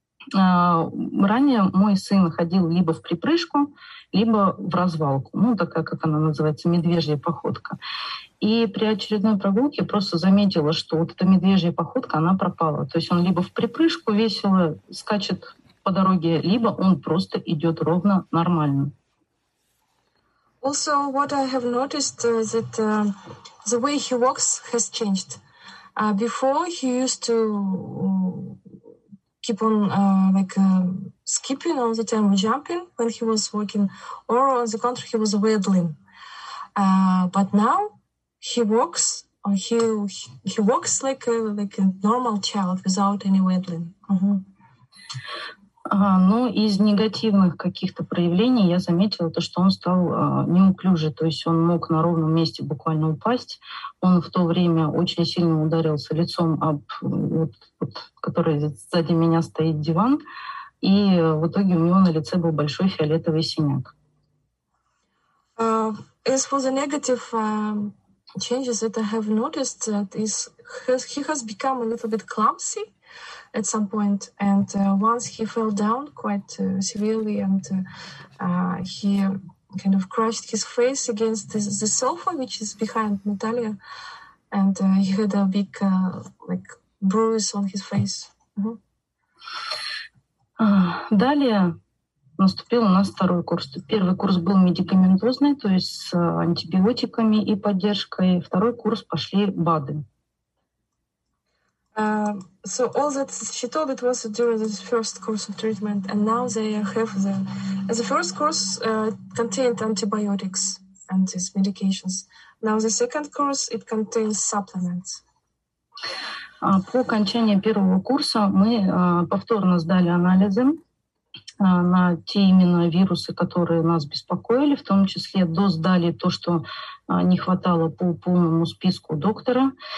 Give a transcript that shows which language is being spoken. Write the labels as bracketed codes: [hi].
[ru] Ранее мой сын ходил либо в припрыжку, либо в развалку, ну, такая, как она называется, медвежья походка. И при очередной прогулке просто заметила, что вот эта медвежья походка, она пропала. То есть он либо в припрыжку весело скачет по дороге, либо он просто идет ровно, нормально. [en] Also, what I have noticed is that the way he walks has changed. Before he used to keep on skipping all the time, jumping when he was walking, or on the contrary, he was waddling. But now he walks like a normal child without any waddling. [ru] Ну, из негативных каких-то проявлений я заметила то, что он стал неуклюже, то есть он мог на ровном месте буквально упасть. Он в то время очень сильно ударился лицом об, который сзади меня стоит диван, и в итоге у него на лице был большой фиолетовый синяк. [en] As for the negative changes that I have noticed, that is, he has become a little bit clumsy at some point, and once he fell down quite severely, and he kind of crushed his face against the sofa, which is behind Natalia, and he had a big like bruise on his face. [ru] Далее наступил у нас второй курс. Первый курс был медикаментозный, то есть с антибиотиками и поддержкой. Второй курс пошли БАДы. [en] So all that she told it was during the first course of treatment, and now they have the. The first course contained antibiotics and these medications. Now the second course it contains supplements. [ru] По окончании первого курса мы повторно сдали анализы на те именно вирусы, которые нас беспокоили, в том числе доздали то, что не хватало по полному списку доктора.